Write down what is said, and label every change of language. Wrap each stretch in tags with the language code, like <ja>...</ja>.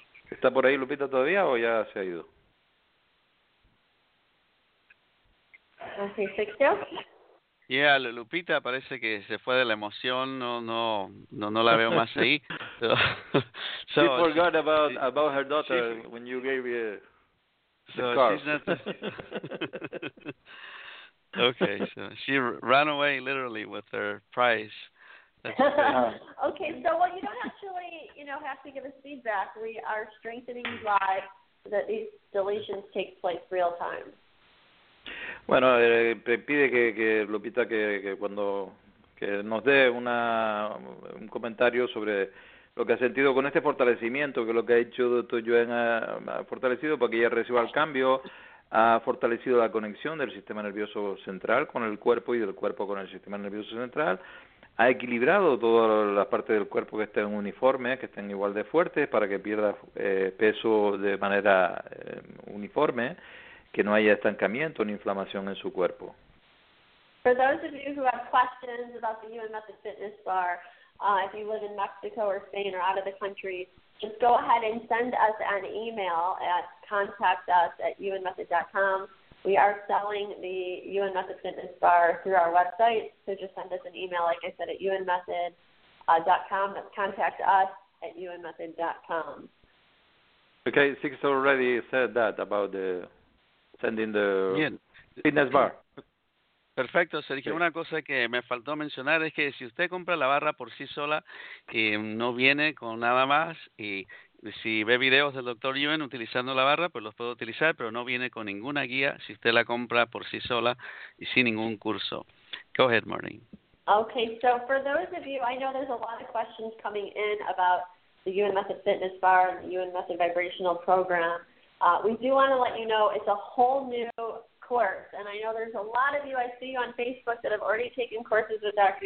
<es>¿Está por ahí Lupita todavía o ya se ha ido?</es> <en>Yeah,</en> <es>Lupita parece que se fue de la emoción, no la veo más ahí.</es> <en>So, she forgot about her daughter when you gave her the car. She's not okay, so she ran away literally with her prize. Okay, so well, you don't actually, have to give us feedback. We are strengthening live so that these deletions take place real time.</en> <es>Bueno, pide que Lupita que cuando que nos dé un comentario sobre lo que ha sentido con este fortalecimiento, que lo que ha hecho Dr. Yuen ha fortalecido para que ella reciba el cambio, ha fortalecido la conexión del sistema nervioso central con el cuerpo y del cuerpo con el sistema nervioso central, ha equilibrado todas las partes del cuerpo que estén uniformes, que estén igual de fuertes para que pierda peso de manera uniforme, que no haya estancamiento ni inflamación en su cuerpo.</es> <en>For those of you who have questions about the UN Method Fitness Bar, if you live in Mexico or Spain or out of the country, just go ahead and send us an email at contactus@unmethod.com. We are selling the UN Method Fitness Bar through our website, so just send us an email, like I said, at unmethod.com. That's contactus@unmethod.com. Okay, Six already said that about the sending the</en> <es>bien.</es> <en>Fitness bar.</en> <es>Perfecto, Sergio. Sí. Una cosa que me faltó mencionar es que si usted compra la barra por sí sola, no viene con nada más. Y si ve videos del Dr. Yuen utilizando la barra, pues los puedo utilizar, pero no viene con ninguna guía si usted la compra por sí sola y sin ningún curso.</es> <en>Go ahead, Maureen. Okay, so for those of you, I know there's a lot of questions coming in about the UN Method Fitness Bar and the UN Method Vibrational Program. We do want to let you know it's a whole new course, and I know there's a lot of you, I see you on Facebook, that have already taken courses with Dr.</en>